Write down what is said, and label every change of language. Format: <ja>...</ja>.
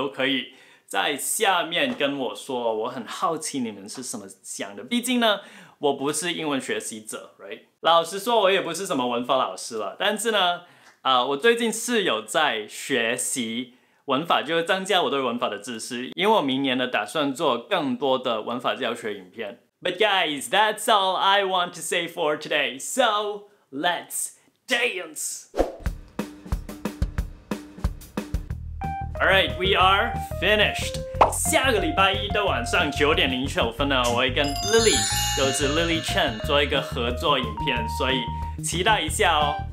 <zh>都可以在下面跟我说，我很好奇你们是什么想的。毕竟呢，我不是英文学习者 ，right？老实说，我也不是什么文法老师了。但是呢，我最近是有在学习文法，就是增加我对文法的知识。因为我明年呢，打算做更多的文法教学影片。</zh> <en>But guys, that's all I want to say for today. So let's dance. All right, we are finished.</en> <zh>下个礼拜一的晚上9:09呢，我会跟 Lily， 就是 Lily Chen 做一个合作影片，所以期待一下哦。</zh>